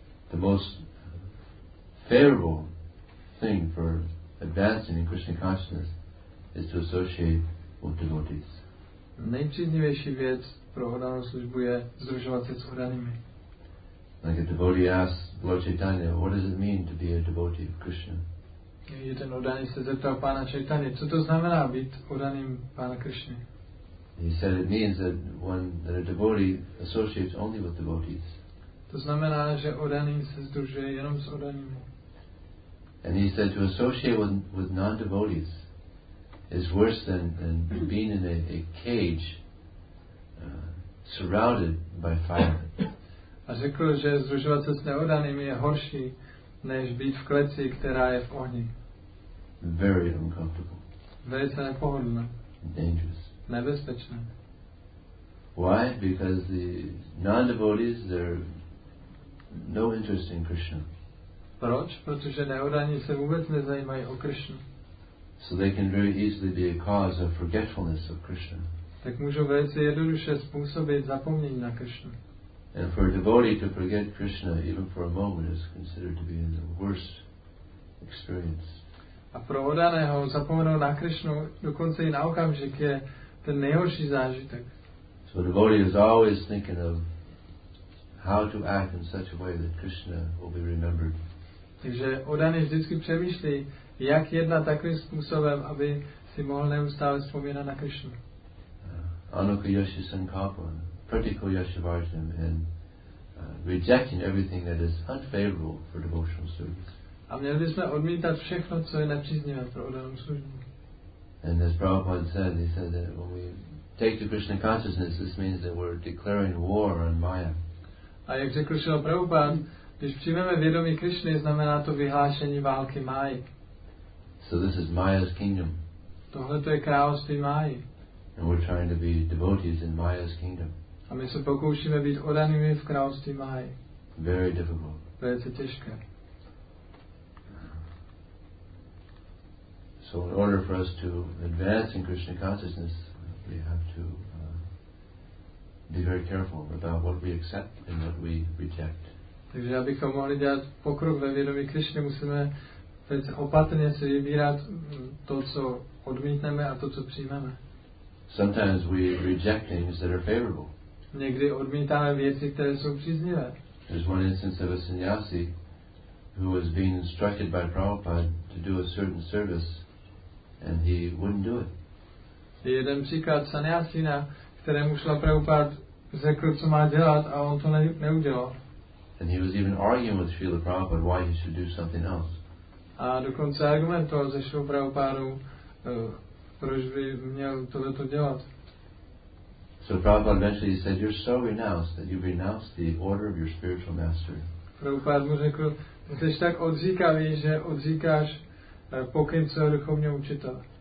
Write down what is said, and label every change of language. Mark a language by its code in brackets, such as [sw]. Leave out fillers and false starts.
[en] The most favorable thing for advancing in Krishna consciousness is to associate with devotees. [cs] Nejpříznivější věc pro oddanou službu je združovat se s oddanými. [en] Like a devotee asks Lord Chaitanya, what does it mean to be a devotee of Krishna? [cs] Jeden oddaný se zeptal pána Chaitanya, co to znamená být oddaným pána Krishny? [en] He said it means that a devotee associates only with devotees. [cs] To znamená, že oddaný se združuje jenom s oddaným. [en] And he said to associate with non-devotees is worse than being in a cage surrounded by fire. [cs] A řekl, že združovat se s neodanými je horší, než být v kleci, která je v ohni. [en] Very uncomfortable. [cs] Velice nepohodlné. [en] Dangerous. [cs] Nebezpečné. [en] Why? Because the non-devotees, they're no interest in Krishna. [cs] Proč? Protože neodaní se vůbec nezajímají o Krishna. [en] So they can very easily be a cause of forgetfulness of Krishna. [cs] Tak můžou velice jednoduše způsobit zapomnění na Krishna. [en] And for a devotee to forget Krishna even for a moment is considered to be in the worst experience. [cs] A pro oddaného zapomenout na Krishnu dokonce i na okamžik je ten nejhorší zážitek. [en] So a devotee is always thinking of how to act in such a way that Krishna will be remembered. [cs] Takže oddaný vždycky přemýšlí, jak jednat takovým způsobem, aby si mohl neustále vzpomínat na Krishnu. [sa] Anukayashi sankapa. Pratical yashivartam [en] and rejecting everything that is unfavorable for devotional service. [cs] A měli bychom odmítat všechno, co je nepříznivé pro oddanou službu. [en] And as Prabhupada said, he said that when we take to Krishna consciousness, this means that we're declaring war on Maya. [cs] A jak řekl Šila Prabhupada, když přijmeme vědomí Krishny, znamená to vyhlášení války Máji. [en] So this is Maya's kingdom. [cs] Tohle to je království Máji. [en] And we're trying to be devotees in Maya's kingdom. [cs] A my se pokoušíme být oddanými v království Máji. [en] Very difficult. [cs] Velice těžké. [en] So in order for us to advance in Krishna consciousness, we have to be very careful about what we accept and what we reject. [cs] Takže abychom mohli dělat pokrok ve vědomí Krishny, musíme velice opatrně si vybírat to, co odmítneme a to, co přijmeme. [en] Sometimes we reject things that are favorable. [cs] Někdy odmítáme věci, které jsou příznivé. [en] There's one instance of a sannyasi who was being instructed by Prabhupada to do a certain service and he wouldn't do it. [cs] Je jeden příklad sannyasina, kterému šla Prabhupada řekl, co má dělat a on to neudělal. [en] And he was even arguing with Srila Prabhupada why he should do something else. [cs] A dokonce argumentoval se Srila Prabhupada, proč by měl tohleto dělat. [en] So Prabhupada eventually said, you're so renounced that you've renounced the order of your spiritual master. [cs] Prabhupada mu řekl, jsi tak odříkavý, že odříkáš pokyn svého duchovního učitele.